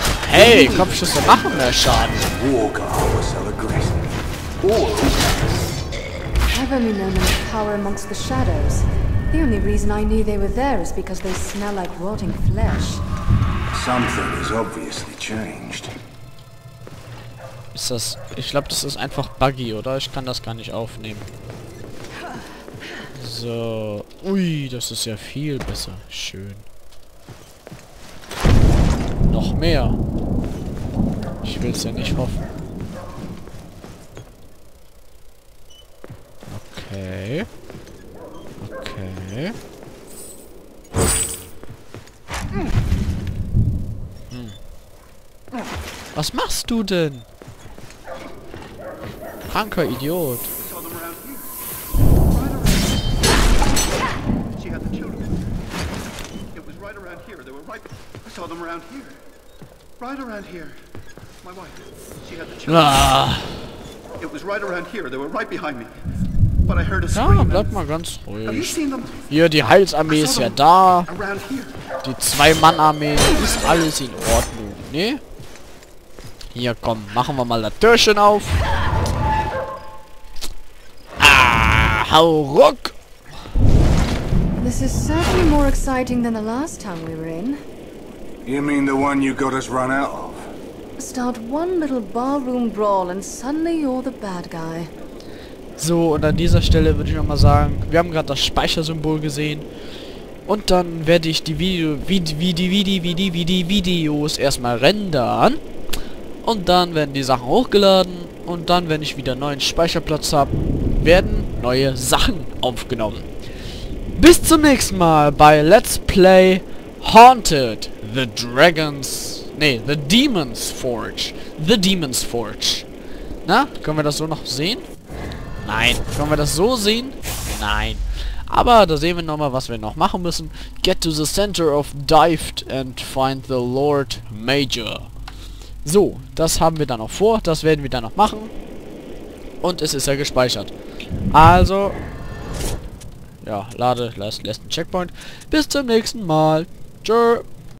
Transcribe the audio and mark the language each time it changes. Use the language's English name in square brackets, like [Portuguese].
[German] Hey, Kopfschüsse machen mehr Schaden. [English] The only reason I knew they were there is because they smell like rotting flesh. Something has obviously changed. [German] Ist das... Ich glaube, das ist einfach buggy, oder? Ich kann das gar nicht aufnehmen. So. Ui, das ist ja viel besser. Schön. Noch mehr. Ich will es ja nicht hoffen. Okay. Hm. Was machst du denn? Kranker Idiot. [English] It was right around here. They were right behind me. [German] Ja, bleib mal ganz ruhig. Hier, die Heilsarmee ist ja da. Die Zwei-Mann-Armee ist alles in Ordnung, ne? Hier, komm, machen wir mal das Türchen auf. Ah, hau ruck! [English] This is certainly more exciting than the last time we were in. You mean the one you got us run out of? Start one little barroom brawl and suddenly you're the bad guy. [German] So, und an dieser Stelle würde ich nochmal sagen, wir haben gerade das Speichersymbol gesehen. Und dann werde ich die Video, Videos erstmal rendern. Und dann werden die Sachen hochgeladen. Und dann, wenn ich wieder neuen Speicherplatz habe, werden neue Sachen aufgenommen. Bis zum nächsten Mal bei Let's Play Haunted The Dragons. Nee, The Demon's Forge. The Demon's Forge. Na, können wir das so noch sehen? Nein. Können wir das so sehen? Nein. Aber da sehen wir nochmal, was wir noch machen müssen. [English] Get to the center of Dived and find the Lord Major. [German] So, das haben wir dann noch vor. Das werden wir dann noch machen. Und es ist ja gespeichert. Also, ja, lade, lässt einen Checkpoint. Bis zum nächsten Mal. Tschö.